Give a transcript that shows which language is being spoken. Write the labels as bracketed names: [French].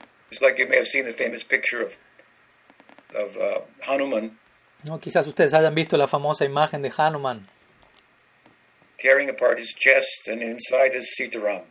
[English] It's like you may have seen the famous picture of Hanuman. [Spanish] No, quizás ustedes hayan visto la famosa imagen de Hanuman. [English] Tearing apart his chest and inside is Sitaram.